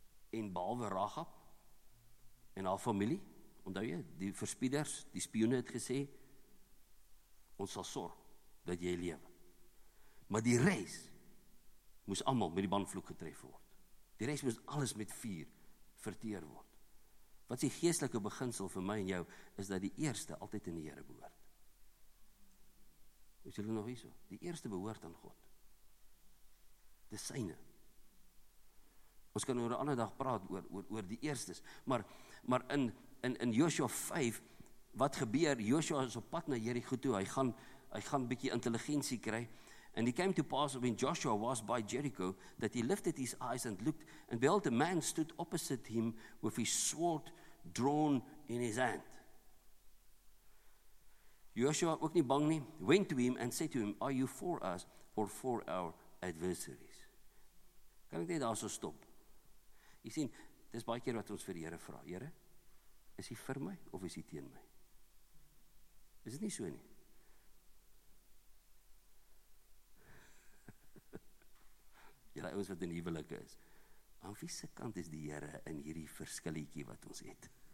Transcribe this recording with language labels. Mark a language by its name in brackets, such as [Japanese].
[Afrikaans] En behalwe Rahab en haar familie, onthou jy, die verspieders, die spioene het gesê, ons sal sorg dat jy lewe. Maar die res moes allemaal met die banvloek getref word. Die res moes alles met vuur verteer word. Wat die geestelike beginsel vir my en jou, is dat die eerste altyd in die Here behoort. Is julle nog hierso? Die eerste behoort aan God. Dis syne. Ons kan oor 'n ander dag praat oor die eerstes, maar in Joshua 5, wat gebeur, Joshua is op pad na Jericho toe, hy gaan bietjie intelligensie kry, [English] and he came to pass when Joshua was by Jericho, that he lifted his eyes and looked, and behold, a man stood opposite him with his sword drawn in his hand. Joshua, [Afrikaans] ook nie bang nie, [English] went to him and said to him, are you for us or for our adversaries? [Afrikaans] Kan ek net daar so stop? Jy sien, dit is baie keer wat ons vir die Here vra. Here, is hy vir my of is hy teen my? Is dit nie so nie? Julle ouens wat in huwelike is, aan wie se kant is die Here in hierdie verskilletjie wat ons het?